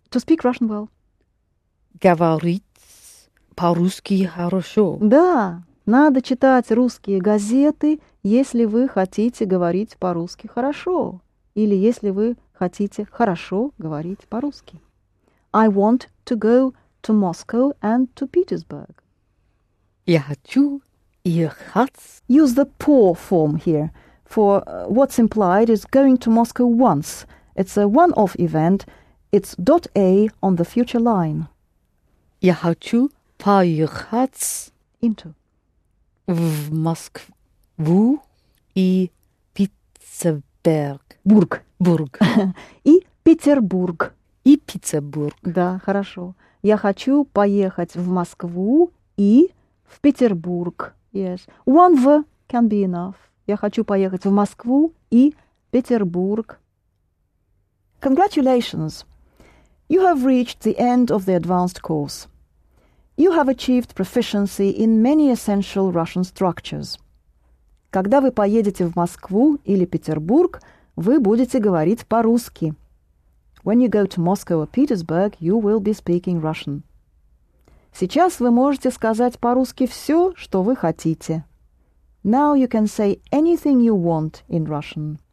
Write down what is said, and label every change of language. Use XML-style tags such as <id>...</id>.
<en>To speak Russian well.</en> <ru>Говорить. По-русски хорошо. Да, надо читать русские газеты, если вы хотите говорить по-русски хорошо. Или если вы хотите хорошо говорить по-русски.</ru> <en>I want to go to Moscow and to Petersburg.</en> <ru>Я хочу ехать.</ru> <en>Use the poor form here. For what's implied is going to Moscow once. It's a one-off event. It's dot A on the future line.</en> <ru>Я хочу поехать</ru> <en>into</en> <ru>в Москву и Питтсбург. Бург. Бург. И Петербург. И Питтсбург. Да, хорошо. Я хочу поехать в Москву и в Петербург.</ru> <en>Yes. One V can be enough.</en> <ru>Я хочу поехать в Москву и Петербург.</ru> <en>Congratulations. You have reached the end of the advanced course. You have achieved proficiency in many essential Russian structures.</en> <ru>Когда вы поедете в Москву или Петербург, вы будете говорить по-русски.</ru> <en>When you go to Moscow or Petersburg, you will be speaking Russian.</en> <ru>Сейчас вы можете сказать по-русски все, что вы хотите.</ru> <en>Now you can say anything you want in Russian.</en>